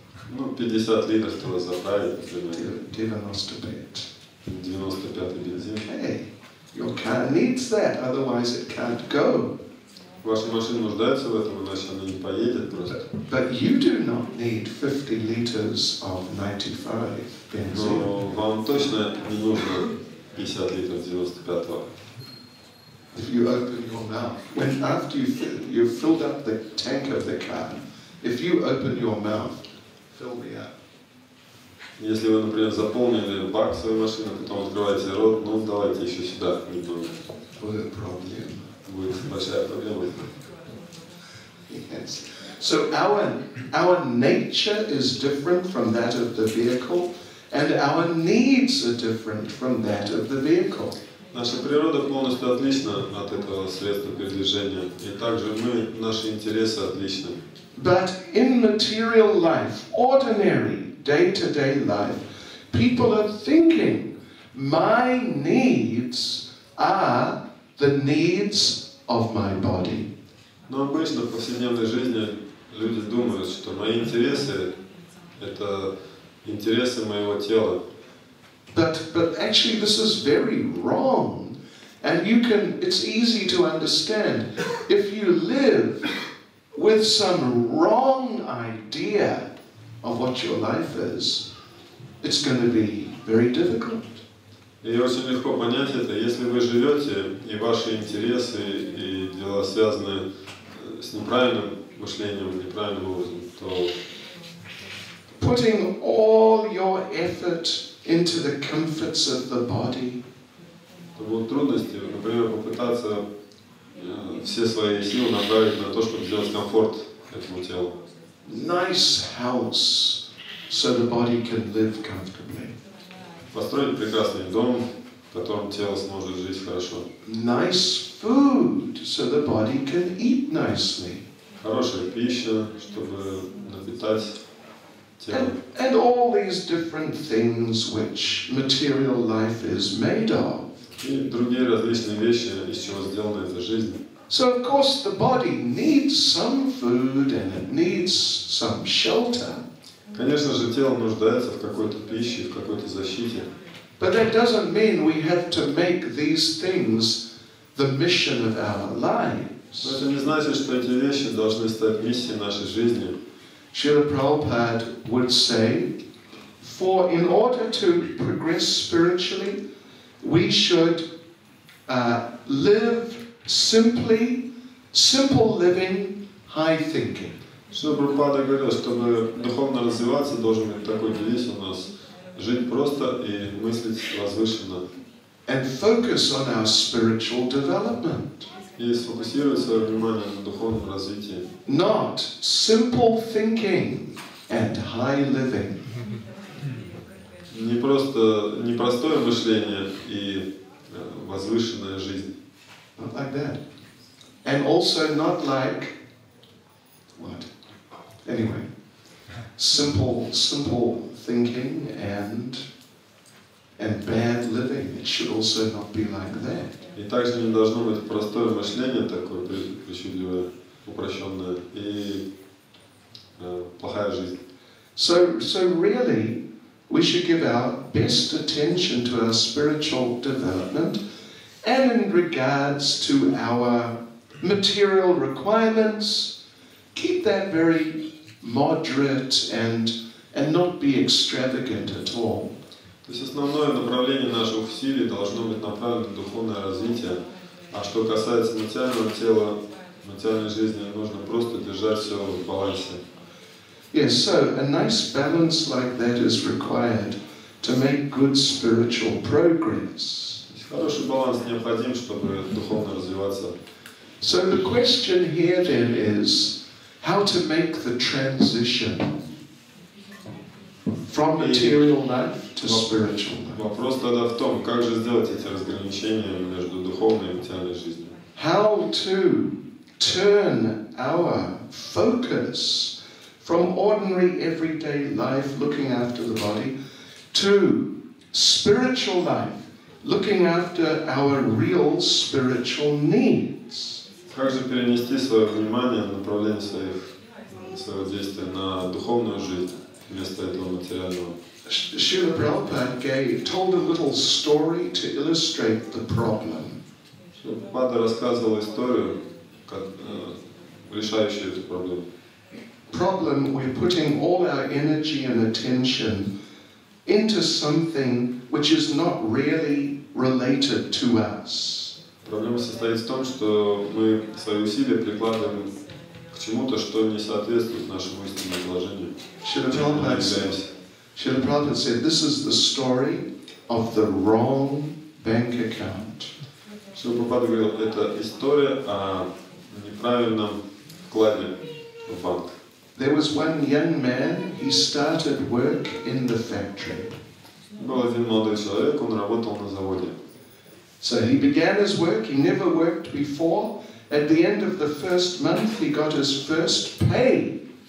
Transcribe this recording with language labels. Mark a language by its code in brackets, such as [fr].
[ru] Ну, 50 литров туда заправить, например. 95. 95-й бензин. [en] Hey, your car needs that, otherwise it can't go. [ru] Ваша машина нуждается в этом, иначе она не поедет просто. [en] But you do not need 50 liters of 95 бензин. [ru] Но вам точно не нужно 50 литров 95-го. [en] If you open your mouth, when after you've filled up the tank of the car, if you open your mouth, fill me up. [ru] Если вы, например, заполнили бак своей машины, потом открываете рот, ну давайте еще сюда немного. Будет проблема. Будет большая проблема. [en] Yes. So our nature is different from that of the vehicle, and our needs are different from that of the vehicle. [ru] Наша природа полностью отлична от этого средства передвижения, и также мы, наши интересы отличны. [en] But in material life, ordinary day-to-day life, people are thinking, my needs are the needs of my body. [ru] Но обычно в повседневной жизни люди думают, что мои интересы — это интересы моего тела. [en] But actually this is very wrong, and it's easy to understand. If you live with some wrong idea of what your life is, it's going to be very difficult. [ru] И очень легко понять это, если вы живете и ваши интересы и дела связаны с неправильным мышлением, неправильным образом, то [en] putting all your effort into the comforts of the body. [ru] Вот трудности, например, попытаться все свои силы направить на то, чтобы сделать комфорт этому телу. [en] Nice house, so the body can live comfortably. [ru] Построить прекрасный дом, в котором тело сможет жить хорошо. [en] Nice food, so the body can eat nicely. [ru] Хорошая пища, чтобы напитать тело. [en] And all these different things which material life is made of. [ru] И другие различные вещи, из чего сделана эта жизнь. [en] So of course the body needs some food and it needs some shelter. [ru] Конечно же, тело нуждается в какой-то пище, в какой-то защите. [en] But that doesn't mean we have to make these things the mission of our lives. [ru] Но это не значит, что эти вещи должны стать миссией нашей жизни. [en] Srila Prabhupada would say, for in order to progress spiritually, we should live simply, simple living, high thinking. [ru] Что Прабхупада говорил, чтобы духовно развиваться, должен быть такой девиз у нас: жить просто и мыслить возвышенно. [en] And focus on our spiritual development. [ru] И сфокусировать свое внимание на духовном развитии. [en] Not simple thinking and high living. [ru] Не просто непростое мышление и возвышенная жизнь. [en] Not like that. And also not like what? Anyway, simple thinking and bad living. It should also not be like that. [ru] И также не должно быть простое мышление такое причудливое, упрощенное и плохая жизнь. [en] So really, we should give our best attention to our spiritual development and in regards to our material requirements. Keep that very moderate and not be extravagant at all. [ru] То есть основное направление наших усилий должно быть направлено на духовное развитие, а что касается материального тела, материальной жизни, нужно просто держать все в балансе. [en] Yes, so a nice balance like that is required to make good spiritual progress. [ru] Хороший баланс необходим, чтобы духовно развиваться. [en] So the question here then is, how to make the transition from material life to spiritual life? [ru] Вопрос тогда в том, как же сделать эти разграничения между духовной и материальной жизнью? [en] How to turn our focus from ordinary everyday life, looking after the body, to spiritual life, looking after our real spiritual needs? [ru] Как же перенести свое внимание, направление своего действия на духовную жизнь вместо этого материального? [en] Srila Prabhupada told a little story to illustrate the problem. [ru] Прабхупада рассказывал историю, решающую эту проблему. [en] Problem: we're putting all our energy and attention into something which is not really related to us. [ru] Проблема состоит в том, что мы свои усилия прикладываем к чему-то, что не соответствует нашему истинному положению. [en] Srila Prabhupada said, this is the story of the wrong bank account. [ru] Srila Prabhupada говорил, это история о неправильном вкладе в банк. [en] There was one young man, he started work in the factory. [ru] Был один молодой человек, он работал на заводе. [en] So he began his work, he never worked before. At the end of the first month, he got his first pay.